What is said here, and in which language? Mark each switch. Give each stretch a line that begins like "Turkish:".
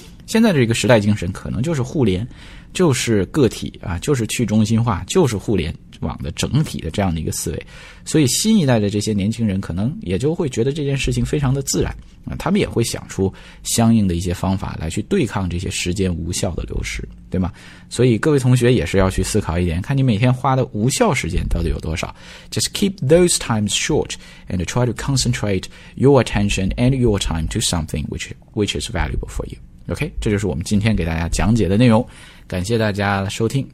Chinese: 现在这个时代精神可能就是互联，就是个体啊，就是去中心化，就是互联网的整体的这样的一个思维。所以新一代的这些年轻人可能也就会觉得这件事情非常的自然啊，他们也会想出相应的一些方法来去对抗这些时间无效的流失，对吗？所以各位同学也是要去思考一点，看你每天花的无效时间到底有多少。
English: Just keep those times short and try to concentrate your attention and your time to something which is valuable for you。
Chinese: OK， 这就是我们今天给大家讲解的内容，感谢大家收听。